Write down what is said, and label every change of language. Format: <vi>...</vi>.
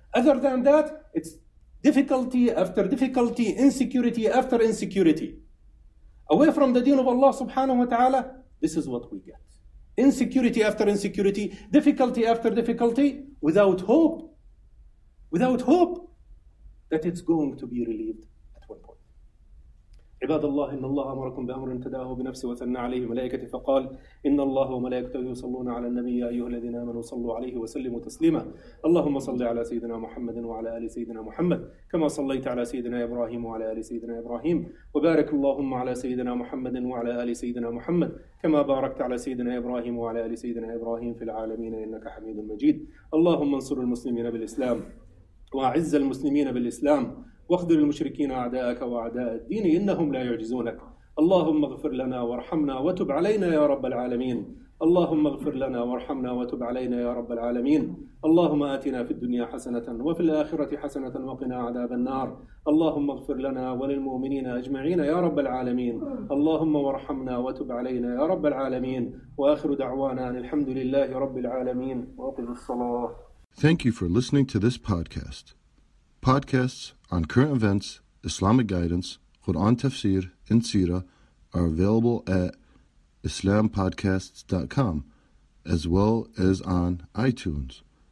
<en>Other than that, it's difficulty after difficulty, insecurity after insecurity. Away from the deen of Allah subhanahu wa ta'ala, this is what we get. Insecurity after insecurity, difficulty after difficulty, without hope that it's going to be relieved at one point.</en> <ar>عباد الله، إن الله أمركم بأمر ابتدأه بنفسه وثنى عليه ملائكته فقال: إن الله وملائكته يصلون على النبي، يا أيها الذين آمنوا صلوا عليه وسلموا تسليما. اللهم صل على سيدنا محمد وعلى آل سيدنا محمد كما صليت على سيدنا إبراهيم وعلى آل سيدنا إبراهيم، وبارك اللهم على سيدنا محمد وعلى آل سيدنا محمد كما باركت على سيدنا إبراهيم وعلى آل سيدنا إبراهيم في العالمين، إنك حميد مجيد. اللهم انصر المسلمين بالإسلام وأعز المسلمين بالإسلام، واخذل المشركين أعداءك وأعداء الدين، إنهم لا يعجزونك. اللهم اغفر لنا وارحمنا وتب علينا يا رب العالمين. اللهم اغفر لنا وارحمنا وتب علينا يا رب العالمين. اللهم آتنا في الدنيا حسنة وفي الآخرة حسنة وقنا عذاب النار. اللهم اغفر لنا وللمؤمنين أجمعين يا رب العالمين. اللهم وارحمنا وتب علينا يا رب العالمين. وآخر دعوانا أن الحمد لله رب العالمين. وأقم الصلاة.</ar> <en>Thank you for listening to this podcast. Podcasts on current events, Islamic guidance, Quran tafsir, and seerah are available at islampodcasts.com as well as on iTunes.</en>